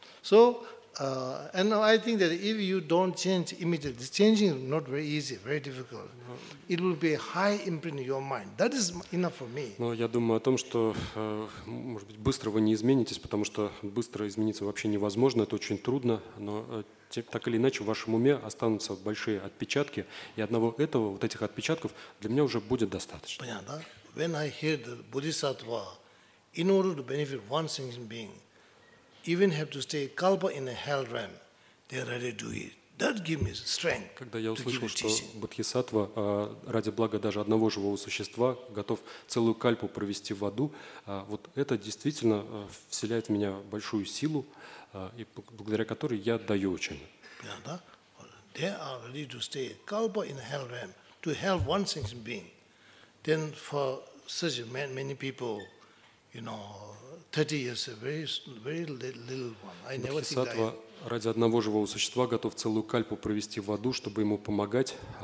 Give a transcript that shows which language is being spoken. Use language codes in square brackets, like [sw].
[en] So, and I think that if you don't change immediately, changing is not very easy, very difficult. It will be a high imprint in your mind. That is enough for me. [ru] Но я думаю о том, что, может быть, быстро вы не изменитесь, потому что быстро измениться вообще невозможно, это очень трудно. Но так или иначе в вашем уме останутся большие отпечатки, и одного этого, вот этих отпечатков, для меня уже будет достаточно. Понятно, да? [en] When I hear the Bodhisattva, in order to benefit one sentient being, even have to stay kalpa in a hell realm, they are ready to do it. That gives me strength. [ru] Когда я услышал, что Бодхисаттва ради блага даже одного живого существа готов целую кальпу провести в аду, вот это действительно вселяет в меня большую силу, и благодаря которой я даю учение. [en] Yeah, there are ready to stay kalpa in hell realm to help one sentient being. Then for such many people, you know, 30 years a very little one. I never think that. [ru] Ради одного живого существа готов целую кальпу провести в аду, чтобы ему помогать.